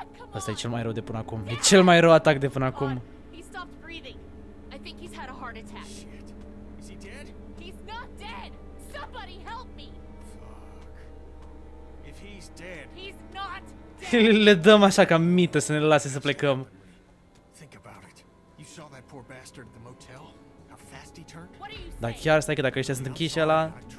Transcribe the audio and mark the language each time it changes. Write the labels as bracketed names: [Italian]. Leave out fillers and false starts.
[Romanian] Asta e cel mai rău de până acum. E cel mai rău atac de până acum. [English] He stopped breathing. I think he's had a heart attack. Shit. Is he dead? He's not dead. Somebody help me. Fuck. If he's dead. He's not dead. [Romanian] Le dăm așa ca mită să ne lase să plecăm. [English] Think about it. You saw that poor bastard at the motel? How fast he turned? What are you saying? [Romanian] Dar chiar stai că dacă ăștia sunt închiși ăla...